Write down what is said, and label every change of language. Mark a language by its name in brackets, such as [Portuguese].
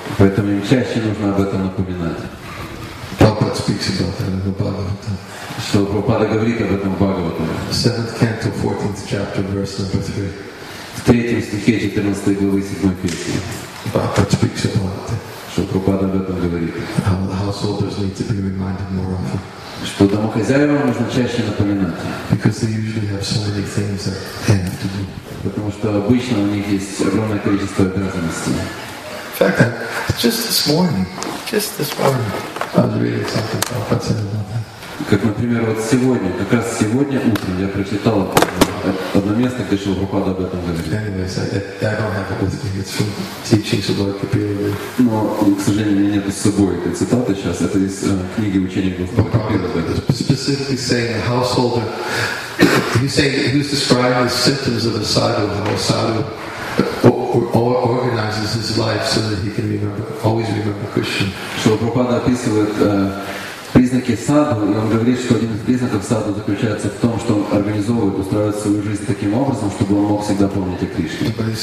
[Russian] Поэтому им чаще нужно об этом напоминать. [English] Prabhupada speaks about that in the Bhagavatam. So [Russian] Prabhupada говорит об этом в Бхагаватам. [English] 7th canto, 14th chapter, verse number 3. [Russian] В 3 стихе 14 главы 7 песни. [English] Prabhupada speaks about that. [Russian] Что Прабхупада об этом говорит. [English] How the householders need to be reminded more often. [Russian] Что домохозяевам нужно чаще напоминать. [English] Because they usually have so many things that they have to do. [Russian] Потому что обычно у них есть огромное количество обязанностей. [English] In fact, just this morning, I was reading something Prabhupada said about that. [Russian] Как, например, вот сегодня, как раз сегодня утром я прочитал одно место, где Шрила Прабхупада об этом говорит. [English] Anyways, I don't have it with me. It's from teachings of Lord Kapila. [Russian] Но, к сожалению, у меня нет с собой этой цитаты сейчас. Это из книги учения Господа Капила. [English] Specifically saying the householder, he's describing the symptoms of a sadhu, how a sadhu organizes his life so that he can always remember Krishna. [Russian] Шрила Прабхупада описывает признаки саду, и он говорит, что один из признаков саду заключается в том, что он организовывает, устраивает свою жизнь таким образом, чтобы он мог всегда помнить о Кришне.